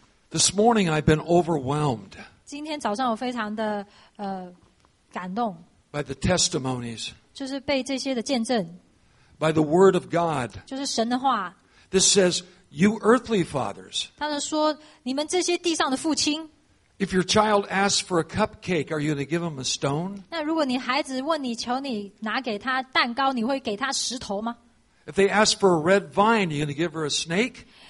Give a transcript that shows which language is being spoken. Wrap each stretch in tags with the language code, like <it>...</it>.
<en>This morning I've been overwhelmed.</en> <zh>今天早上我非常的, 感动,</zh> <en>by the testimonies.</en> <zh>就是被这些的见证,</zh> <en>by the word of God.</en> <zh>就是神的话,</zh> <en>this says, you earthly fathers.</en> <zh>他们说, 你们这些地上的父亲,</zh> <en>if your child asks for a cupcake, are you going to give him a stone?</en> <zh>那如果你孩子问你, 求你拿给他蛋糕, 你会给他石头吗?</zh> <en>If they ask for a red vine, are you going to give her a snake?</en>